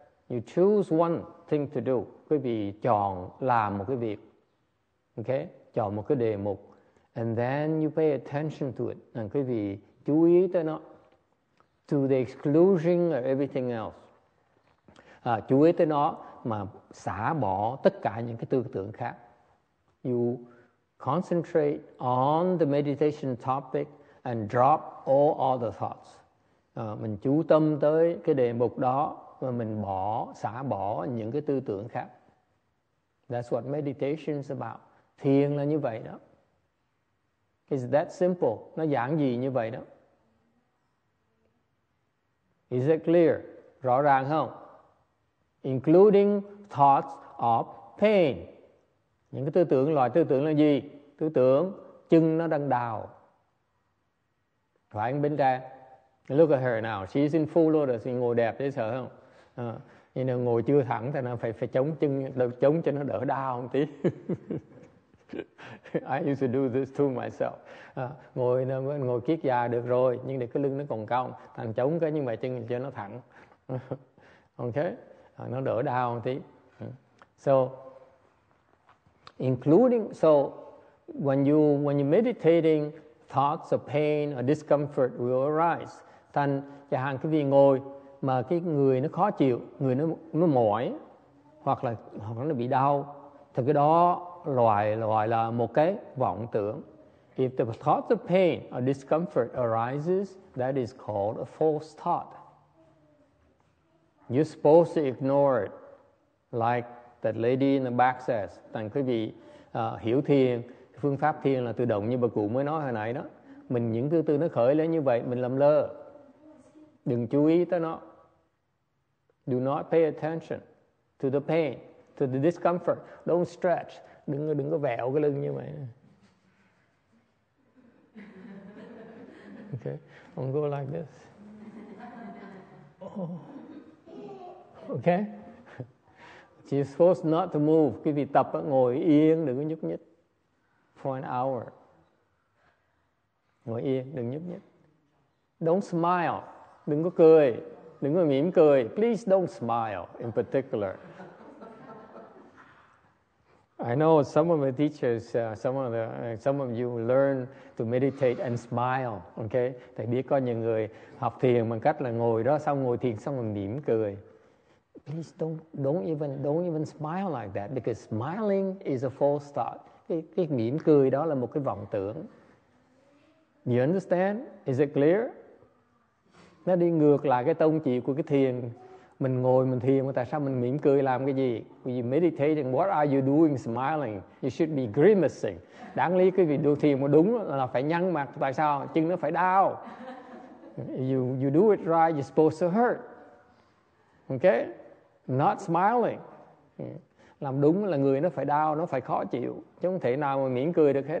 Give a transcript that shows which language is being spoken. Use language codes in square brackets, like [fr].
[en] You choose one thing to do. [vi] Quý vị chọn làm một cái việc. [en] Okay? [vi] Chọn một cái đề mục. [en] And then you pay attention to it. And [vi] quý vị chú ý tới nó. [en] To the exclusion of everything else. [vi] Chú ý tới nó mà xả bỏ tất cả những cái tư tưởng khác. [en] You concentrate on the meditation topic and drop all other thoughts. [vi] Mình chú tâm tới cái đề mục đó và mình bỏ, xả bỏ những cái tư tưởng khác. [en] That's what meditation is about. [vi] Thiền là như vậy đó. [en] It's that simple. [vi] Nó giản dị như vậy đó. [en] Is it clear? [vi] Rõ ràng không? [en] Including thoughts of pain. [vi] Những cái tư tưởng, loại tư tưởng là gì? Tư tưởng chân nó đang đào. Phải bên trái. [en] Look at her now. She's in full lotus. [vi] Ngồi đẹp thế sợ không? Nhưng mà ngồi chưa thẳng thì nó phải phải chống chân, chống cho nó đỡ đau một tí. [en] I used to do this to myself. [vi] Ngồi nó ngồi kiết già được rồi, nhưng để cái lưng nó còn cong, thằng chống cái nhưng mà chân cho nó thẳng. Okay, nó đỡ đau một tí. [en] So including, so when you meditating, thoughts of pain or discomfort will arise. [vi] Thành chẳng hạn cái vị ngồi mà cái người nó khó chịu, người nó mỏi hoặc là nó bị đau, thì cái đó loại là một cái vọng tưởng. [en] If the thought of pain or discomfort arises, that is called a false thought. You're supposed to ignore it, like that lady in the back says. [vi] Thành quý vị hiểu thiền, phương pháp thiền là tự động như bà cụ mới nói hồi nãy đó. Mình những tư tư nó khởi lên như vậy, mình làm lơ. Đừng chú ý tới nó. [en] Do not pay attention to the pain, to the discomfort. Don't stretch. [vi] Đừng có vẹo cái lưng như vậy. [en] Okay. Don't go like this. Okay. She's supposed not to move. [vi] Cái vị tập ngồi yên, đừng có nhúc nhích. [en] For an hour. [vi] Ngồi yên, đừng nhúc nhích. [en] Don't smile. [vi] Đừng có cười, đừng có mỉm cười. [en] Please don't smile in particular. I know some of the teachers, some of you learn to meditate and smile, okay? [vi] Thầy biết có nhiều người học thiền bằng cách là ngồi đó, xong ngồi thiền xong rồi mỉm cười. [en] Please don't even smile like that, because smiling is a false thought. [vi] Cái mỉm cười đó là một cái vọng tưởng. [en] You understand? Is it clear? [vi] Nó đi ngược lại cái tông chỉ của cái thiền. Mình ngồi mình thiền mà tại sao mình mỉm cười làm cái gì? [en] You meditating, what are you doing smiling? You should be grimacing. [vi] Đáng lý cái việc đưa thiền mà đúng là phải nhăn mặt. Tại sao? Chân nó phải đau. [en] You do it right, you're supposed to hurt. Okay? Not smiling. [vi] Làm đúng là người nó phải đau, nó phải khó chịu. Chứ không thể nào mà mỉm cười được hết.